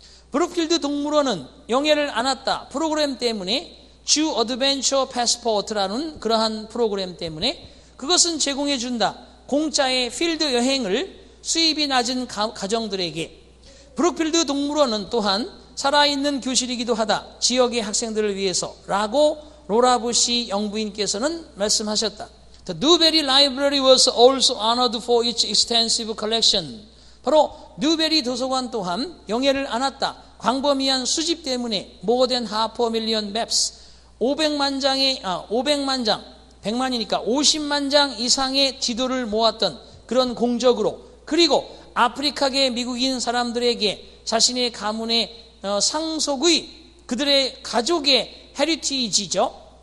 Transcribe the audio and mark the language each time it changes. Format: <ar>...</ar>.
<ko>브룩필드 동물원은 영예를 안았다 프로그램 때문에 주 어드벤처 패스포트라는 그러한 프로그램 때문에 그것은 제공해준다. 공짜의 필드 여행을 수입이 낮은 가정들에게 브룩필드 동물원은 또한 살아있는 교실이기도 하다. 지역의 학생들을 위해서 라고 로라 부시 영부인께서는 말씀하셨다.</ko> <en>The Newberry Library was also honored for its extensive collection.</en> <ko>바로 뉴베리 도서관 또한 영예를 안았다. 광범위한 수집 때문에</ko> <en>more than half a million maps.</en> <ko>50만 장 이상의 지도를 모았던 그런 공적으로 그리고 아프리카계 미국인 사람들에게 자신의 가문의 상속의 그들의 가족의 헤리티지죠.</ko>